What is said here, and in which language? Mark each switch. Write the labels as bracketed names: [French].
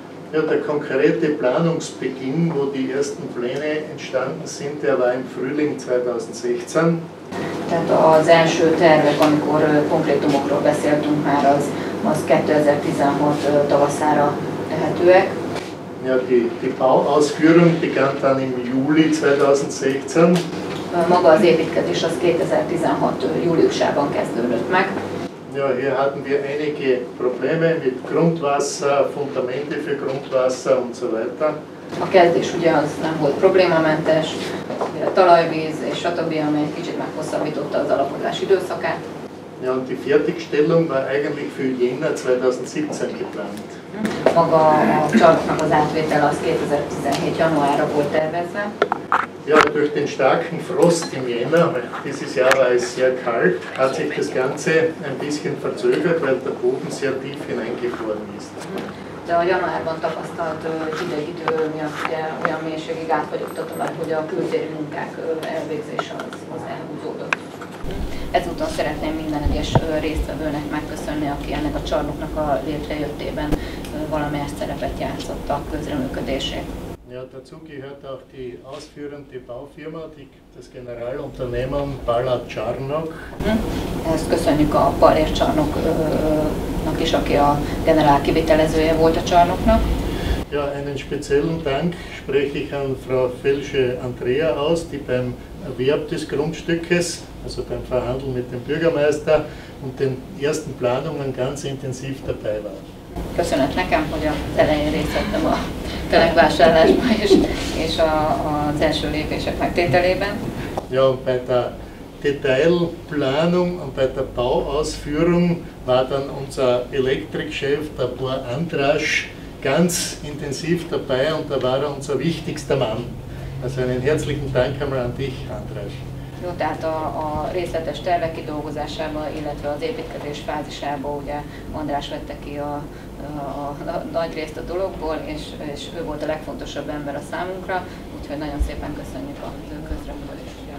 [German] Ja, der konkrete Planungsbeginn, wo die ersten Pläne entstanden sind, der war im Frühling 2016. [Hungarian] Tehát az első tervek, amikor konkrétumokról beszéltünk már, az 2016 tavaszára tehetőek. [German] Ja, die Bauausführung begann dann im Juli 2016. [Hungarian] Maga az építkezés az 2016 júliusában kezdődött meg. [German] Ja, hier hatten wir einige Probleme mit Grundwasser, Fundamente für Grundwasser und so weiter. [Hungarian] A kezdés ugye az nem volt problémamentes, a talajvíz és stb., ami egy kicsit meghosszabbította az alapozás időszakát. [German] Ja, und die Fertigstellung war eigentlich für Jänner 2017 geplant. [Hungarian] Maga a csarnoknak az átvétel az 2017. januárra volt tervezve. [German] Ja, durch den starken Frost im Jänner, dieses Jahr war es sehr kalt, hat sich das Ganze ein bisschen verzögert, weil der Boden sehr tief hineingefroren ist. [Hungarian] De a januárban tapasztalt hidegidő miatt ugye olyan mélységig átfagyott a talaj, hogy a kültéri munkák elvégzése az elhúzódott. Ezúton szeretném minden egyes résztvevőnek megköszönni, aki ennek a csarnoknak a létrejöttében valamelyes szerepet játszott a közreműködésé. [German] Ja, dazu gehört auch die ausführende Baufirma, das Generalunternehmen Ballard Csarnok. [Hungarian] Ezt köszönjük a Ballard Csarnoknak is, aki a generál kivitelezője volt a csarnoknak. [German] Ja, einen speziellen Dank spreche ich an Frau Felsche Andrea aus, die beim Erwerb des Grundstückes, also beim Verhandeln mit dem Bürgermeister und den ersten Planungen ganz intensiv dabei war. [Hungarian] Köszönet nekem, hogy az elején részt vettem a telekvásárlásban és az első lépések megtételében. [German] Ja, bei der Detailplanung und bei der Bauausführung war dann unser Elektrikchef, der Bauer Andrasch, ganz intensiv dabei und da war er unser wichtigster Mann. Also einen herzlichen Dank einmal an dich, Andrasch. [Hungarian] Jó, tehát a részletes tervek kidolgozásában, illetve az építkezés fázisában ugye András vette ki a nagy részt a dologból, és ő volt a legfontosabb ember a számunkra, úgyhogy nagyon szépen köszönjük a közreműködést.